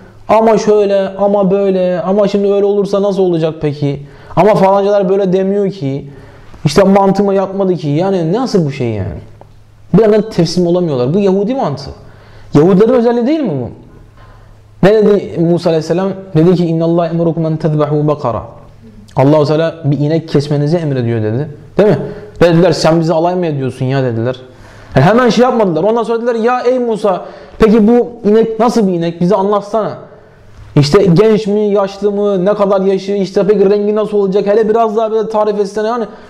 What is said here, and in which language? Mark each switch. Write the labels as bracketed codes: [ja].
[tr] Ama şöyle, ama böyle, ama şimdi öyle olursa nasıl olacak peki? Ama falancalar böyle demiyor ki. İşte mantığıma yatmadı ki. Yani nasıl bu şey yani? Bir anda teslim olamıyorlar. Bu Yahudi mantığı. Yahudilerin özelliği değil mi bu? Ne dedi Musa Aleyhisselam? Dedi ki [ar] اِنَّ اللّٰهِ اَمْرُكُمْ اَنْ تَذْبَحُوا بَقَرًا. [tr] Allah-u Teala bir inek kesmenizi emrediyor dedi. Değil mi? Dediler sen bizi alay mı ediyorsun ya dediler. Yani hemen şey yapmadılar. Ondan sonra dediler ya ey Musa, peki bu inek nasıl bir inek? Bize anlatsana. İşte genç mi, yaşlı mı, ne kadar yaşı, işte peki rengi nasıl olacak, hele biraz daha bir tarif etsene yani.